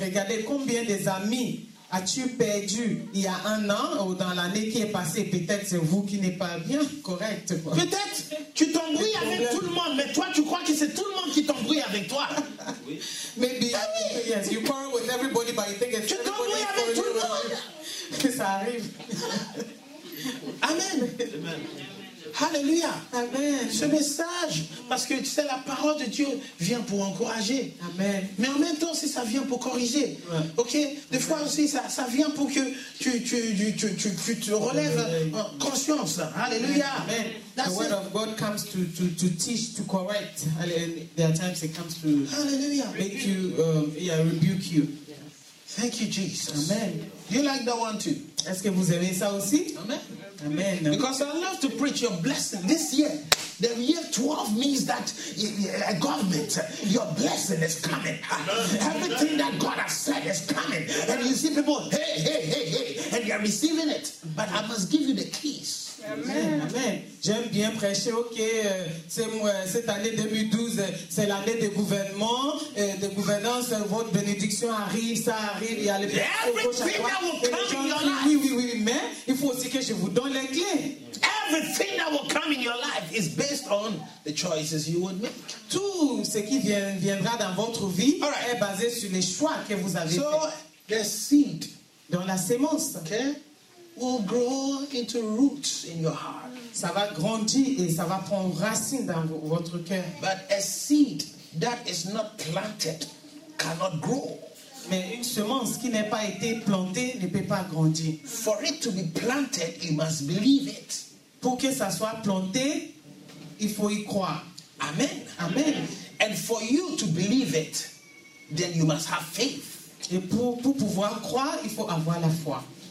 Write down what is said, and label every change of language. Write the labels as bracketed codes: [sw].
[fr] Regardez combien des amis as-tu perdu il y a un an ou dans l'année qui est passée. Peut-être c'est vous qui n'êtes pas bien correct. Quoi. Peut-être tu t'embrouilles avec problème. Tout le monde, mais toi tu crois que c'est tout le monde qui t'embrouille avec toi. [en] Maybe yes, you quarrel with everybody, but you think it's [fr] tu t'embrouilles avec tout le monde. Ça arrive. Amen. Amen. Alléluia. Amen. Ce message, parce que tu sais, la parole de Dieu vient pour encourager. Amen. Mais en même temps, si ça vient pour corriger, ouais. Ok. Des fois aussi, ça vient pour que tu te relèves en conscience. Alléluia. Amen. [en] That's the word of God comes to teach, to correct. There are times it comes to Hallelujah. Make you rebuke you. Yes. Thank you, Jesus. Amen. You like that one too? [fr] Est-ce que vous aimez ça aussi? Amen. Amen. [en] Because I love to preach your blessing this year. The year 12 means that a government, your blessing is coming. Everything that God has said is coming. And you see people, hey, and you're receiving it. But I must give you the keys. Amen. Amen. [fr] J'aime bien prêcher, ok, cette année 2012, c'est l'année des gouvernements, de gouvernance, votre bénédiction arrive, ça arrive, il y a les personnes qui vont arriver. Oui, mais il faut aussi que je vous donne les clés. [en] Everything that will come in your life is based on the choices you would make. [fr] Tout ce qui viendra dans votre vie [en] right. [fr] est basé sur les choix que vous avez [en] so, [fr] fait. [en] The seed. [fr] Dans la semence. [en] Ok. Will grow into roots in your heart. [fr] Ça va grandir et ça va prendre racine dans votre cœur. [en] But a seed that is not planted cannot grow. [fr] Mais une semence qui n'est pas été plantée ne peut pas grandir. [en] For it to be planted, you must believe it. [fr] Pour que ça soit planté, il faut y croire. Amen. Amen. [en] And for you to believe it, then you must have faith. [fr] Et pour pouvoir croire, il faut avoir la foi.